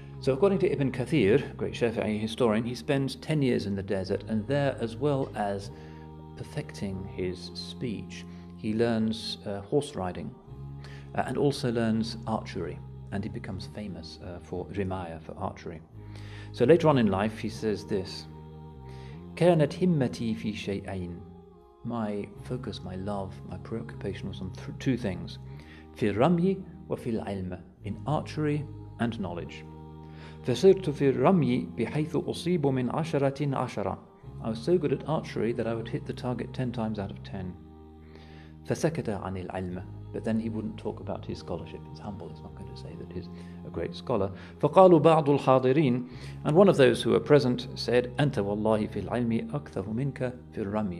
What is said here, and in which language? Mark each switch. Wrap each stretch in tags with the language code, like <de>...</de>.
<en>So according to Ibn Kathir, great Shafi'i historian, he spends 10 years in the desert, and there, as well as perfecting his speech, he learns horse riding and also learns archery, and he becomes famous for rimaya, for archery. So later on in life, he says this:</en> <ar>كانت همتي في شيئين.</ar> <en>My focus, my love, my preoccupation was on two things:</en> <ar>في الرمي وفي العلم,</ar> <en>in archery and knowledge.</en> <ar>فصرت في الرمي بحيث أصيب من عشرة عشرة.</ar> <en>I was so good at archery that I would hit the target 10 times out of 10.</en> <ar>فسكت عن العلم.</ar> <en>But then he wouldn't talk about his scholarship. He's humble, he's not going to say that he's a great scholar.</en> <ar>فَقَالُوا بَعْضُ الْحَاضِرِينَ.</ar> <en>And one of those who were present said,</en> <ar>أَنْتَ وَاللَّهِ فِي الْعِلْمِ أَكْثَهُ مِنْكَ فِي الرَّمِي.</ar>